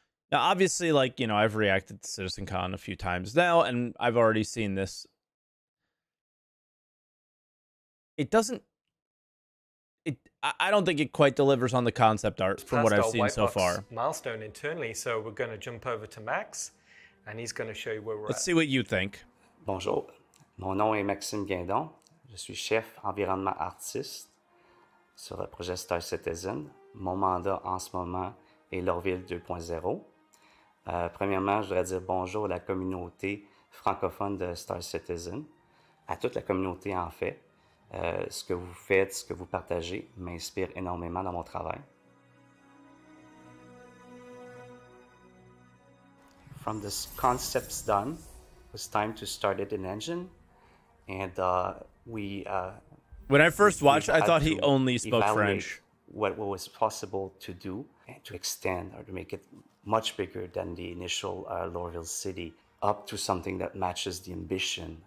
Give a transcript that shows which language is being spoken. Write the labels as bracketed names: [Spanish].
[English] Now, obviously, like, you know, I've reacted to CitizenCon a few times now, and I've already seen this. It doesn't... I don't think it quite delivers on the concept art from what I've seen so far. Milestone internally, so we're going to jump over to Max, and he's going to show you where we're at. Let's see what you think. [French] Bonjour. Mon nom est Maxime Guindon. Je suis chef environnement artiste sur le projet Star Citizen. Mon mandat en ce moment est Lorville 2.0. Premièrement, je voudrais dire bonjour à la communauté francophone de Star Citizen, à toute la communauté en fait. Ce que vous faites, ce que vous partagez, m'inspire énormément dans mon travail. [English] From the concepts done, it's time to start it in engine. And when I first watched, I thought he only spoke French. What was possible to do and to extend or to make it much bigger than the initial Lorville city, up to something that matches the ambition.